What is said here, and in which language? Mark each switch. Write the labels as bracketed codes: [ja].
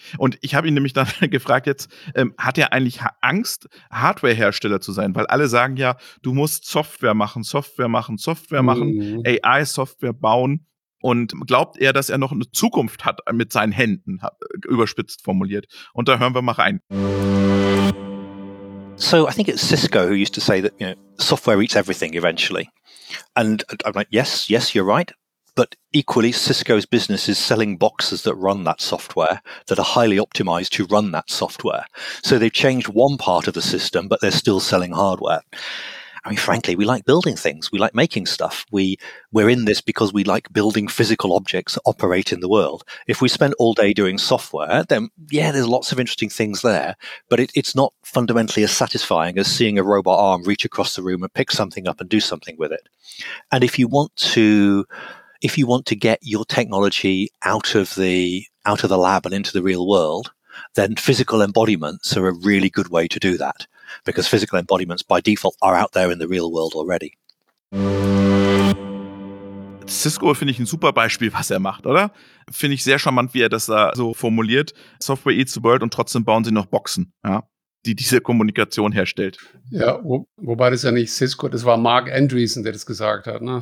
[de] Und ich habe ihn nämlich dann gefragt jetzt, hat er eigentlich Angst, Hardware-Hersteller zu sein? Weil alle sagen ja, du musst Software machen, Software machen, Software machen, AI-Software bauen. Und glaubt er, dass er noch eine Zukunft hat mit seinen Händen, überspitzt formuliert? Und da hören wir mal rein. [en] So, I think it's Cisco who used to say that, you know, software eats everything eventually. And I'm like, yes, you're right. But equally, Cisco's business is selling boxes that run that software, that are highly optimized to run that software. So they've changed one part of the system, but they're still selling hardware. I mean, frankly, we like building things. We like making stuff. We're in this because we like building physical objects that operate in the world. If we spent all day doing software, then yeah, there's lots of interesting things there, but it's not fundamentally as satisfying as seeing a robot arm reach across the room and pick something up and do something with it. And if you want to get your technology out of the lab and into the real world, then physical embodiments are a really good way to do that. Because physical embodiments by default are out there in the real world already. [de] Cisco finde ich ein super Beispiel, was er macht, oder? Finde ich sehr charmant, wie er das da so formuliert. [en] Software eats the world [de] und trotzdem bauen sie noch Boxen, ja, die diese Kommunikation herstellt. Ja, wobei das ja nicht Cisco, das war Mark Andreessen, der das gesagt hat, ne?